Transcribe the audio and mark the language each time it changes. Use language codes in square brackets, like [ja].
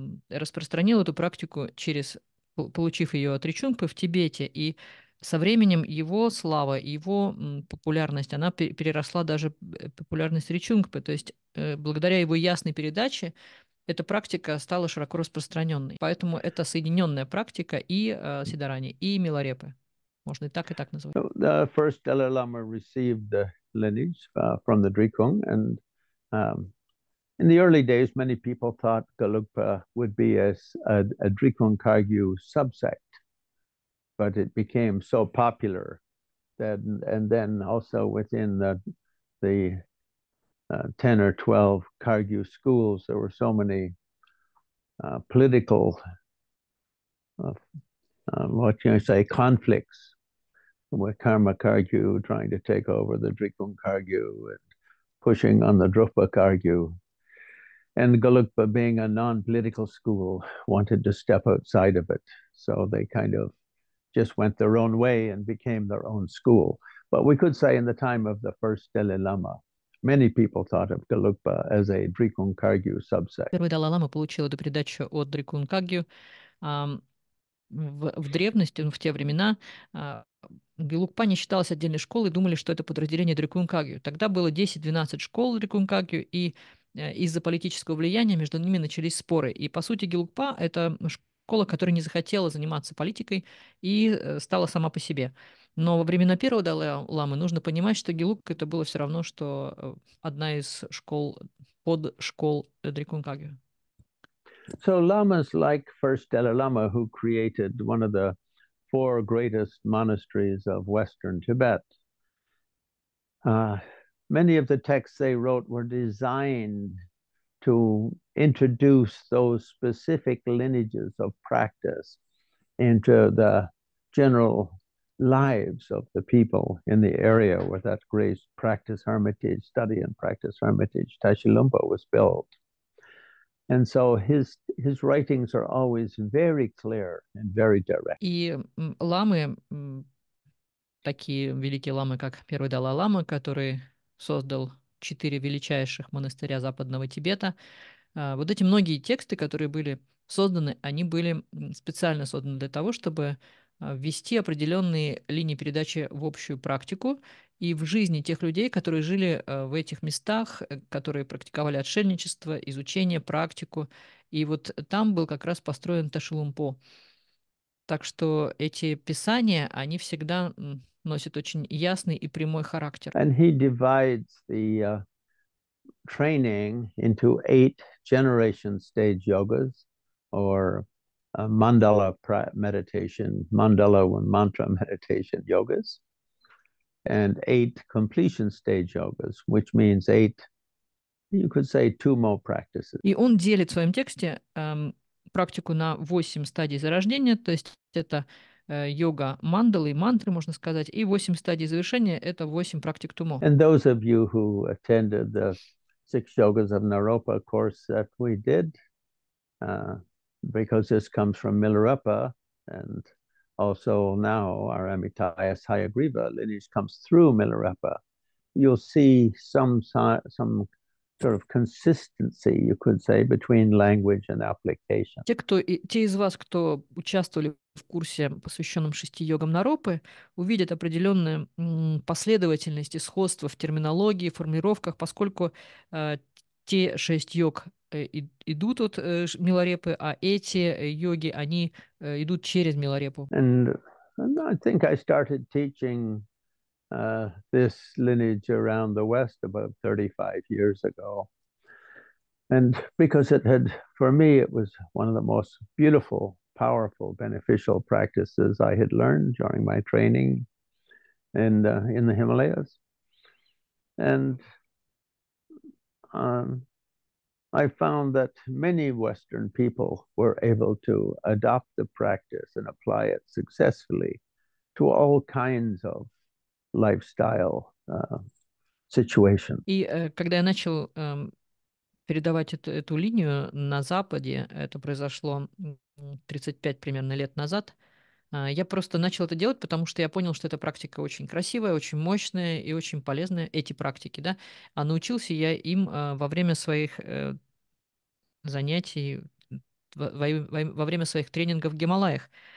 [ru] распространила эту практику через, получив ее от Ричунгпы в Тибете, и со временем его слава, его популярность, она переросла даже популярность Ричунгпы, то есть благодаря его ясной передаче эта практика стала широко распространенной. Поэтому это соединенная практика и Сидарани, и Миларепы. Можно и так назвать. [en] The first Dalai Lama received the lineage from the Drikung, and in the early days, many people thought Galugpa would be a Drikung Kagyu subsect, but it became so popular that, and then also within the 10 or 12 Kagyu schools, there were so many political, what can I say, conflicts with Karma Kagyu trying to take over the Drikung Kagyu and pushing on the Drukpa Kagyu. And Galugpa, being a non-political school, wanted to step outside of it. So they kind of just went their own way and became their own school. But we could say in the time of the first Dalai Lama, many people thought of Galugpa as a Drikung Kagyu subset. [ru] Первый Далай-Лама получил эту передачу от Дрикун Кагью. В древности, в те времена, Галугпа не считалась отдельной школой, думали, что это подразделение Дрикун Кагью. Тогда было 10-12 школ Дрикун Кагью, и из-за политического влияния между ними начались споры. И, по сути, Галугпа — это школа, которая не захотела заниматься политикой и стала сама по себе. Но во времена первого Далай-Ламы нужно понимать, что Гелугпа — это было все равно, что одна из школ, под школ Дрикун Кагью. [en] So lamas like first Dalai Lama, who created one of the four greatest monasteries of Western Tibet, many of the texts they wrote were designed to introduce those specific lineages of practice into the general lives of the people in the area where that great practice hermitage, study and practice hermitage, Tashilumpa, was built. And so his writings are always very clear and very direct. [ru] И ламы, такие великие ламы, как первый Далай-Лама, который создал четыре величайших монастыря Западного Тибета, Вот эти многие тексты, которые были созданы, они были специально созданы для того, чтобы ввести определенные линии передачи в общую практику и в жизни тех людей, которые жили в этих местах, которые практиковали отшельничество, изучение, практику. И вот там был как раз построен Ташилумпо. Так что эти писания, они всегда носят очень ясный и прямой характер. [en] And he divides the training into eight generation stage yogas or mandala meditation, mandala and mantra meditation yogas, and eight completion stage yogas, which means eight, you could say, two more practices. [ru] И он делит в своем тексте практику на 8 стадий зарождения, то есть это йога мандалы, мантры, можно сказать, и 8 стадий завершения – это 8 практик тумо. [en] And those of you who attended the six yogas of Naropa course that we did, because this comes from Milarepa, and also now our Amitāya Sahayagriva lineage comes through Milarepa, you'll see some sort of consistency, you could say, between language and application. [ru] Те из вас, кто участвовали в курсе, посвященном шести йогам Наропы, увидят определенную последовательность и сходство в терминологии, формулировках, поскольку те шесть йог идут от Миларепы, а эти йоги, они идут через Миларепу. [en] And I think I started teaching this lineage around the West about 35 years ago. And because it had, for me, it was one of the most beautiful, powerful, beneficial practices I had learned during my training in the Himalayas. And I found that many Western people were able to adopt the practice and apply it successfully to all kinds of lifestyle situation. [ru] И когда я начал передавать эту линию на Западе, это произошло 35 примерно лет назад, я просто начал это делать, потому что я понял, что эта практика очень красивая, очень мощная и очень полезная, эти практики, да. А научился я им во время своих занятий, во время своих тренингов в Гималаях.